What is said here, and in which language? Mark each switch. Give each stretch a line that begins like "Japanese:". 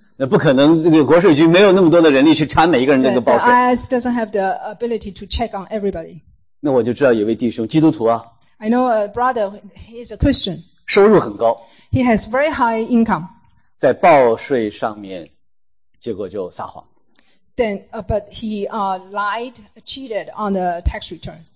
Chinese: 那不可能，这个国税局没有那么多的人力去查每一个人的那个报税。
English: The IRS doesn't have the ability to check on everybody.
Chinese: 那我就知道有位弟兄，基督徒啊。
English: I know a brother, he's a Christian.
Chinese: 收入很高。
English: He has very high income.
Chinese: 在报税上面，结果就撒谎。
English: Then, but he lied, cheated on the tax return.